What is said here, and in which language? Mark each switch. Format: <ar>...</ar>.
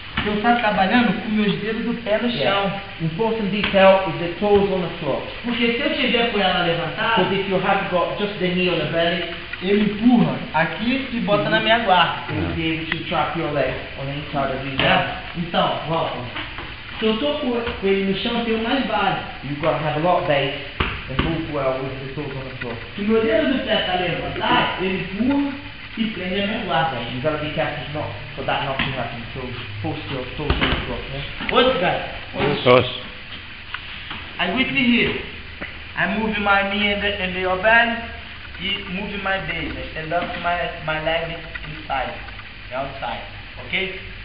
<pt>Eu estou trabalhando com meus dedos do pé no chão.</pt> <en>Yeah. Important detail is the toes on the floor.</en> <pt>Porque se eu tiver com ela levantada,</pt> <en>because if you have got just the knee on the belly,</en> <pt>ele empurra aqui e bota na minha guarda.</pt> <en>Yeah. Be able to trap your leg on any side of his arm.</en> <pt>Então, volta. Se eu estou com ele no chão, eu tenho mais base.</pt> <en>You've got to have a lot of base and move well with the toes on the floor.</en> <pt>Se meu dedo do pé está levantado, ele empurra. E prende a minha guarda.</pt> <en>You gotta be careful not for that not to happen. So, post your toes on the floor. Guys. I'm with you here. I'm moving my knee in the your belly. And moving my base. I stand up my leg inside. The outside. Okay?</en>